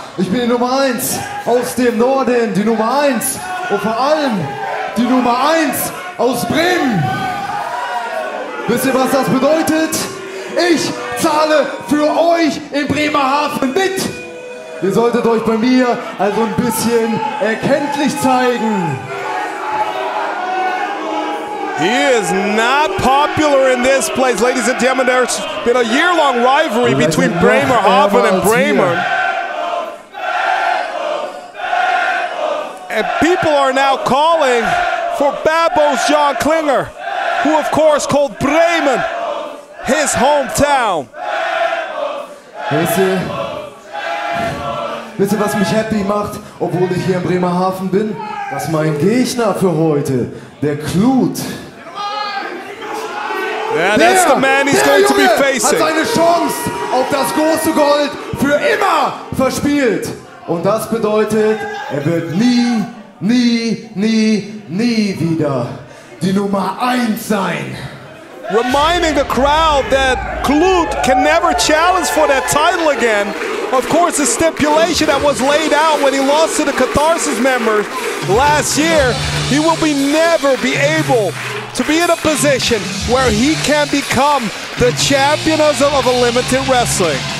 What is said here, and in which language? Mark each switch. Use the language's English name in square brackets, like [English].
[German] Ich bin die Nummer 1 aus dem Norden, die Nummer 1 und vor allem die Nummer 1 aus Bremen. Wisst ihr, was das bedeutet? Ich zahle für euch in Bremerhaven mit. Ihr solltet euch bei mir also ein bisschen erkenntlich zeigen. [English] He is not popular in this place, ladies and gentlemen. There's been a year-long rivalry between Bremerhaven and Bremer. And people are now calling for Bad Bones John Klinger, who of course called Bremen his hometown. [German] Wisst ihr, was mich happy macht, obwohl ich hier in Bremerhaven bin? Dass mein Gegner für heute, der Kluth. [English] Yeah, that's the man he's going to be facing. [German] Hat seine Chance auf das große Gold für immer verspielt. Und das bedeutet, er wird nie, nie, nie, nie wieder die Nummer 1 sein. [English] Reminding the crowd that Kluth can never challenge for that title again. Of course, the stipulation that was laid out when he lost to the Catharsis member last year, he will be never be able to be in a position where he can become the champion of Unlimited Wrestling.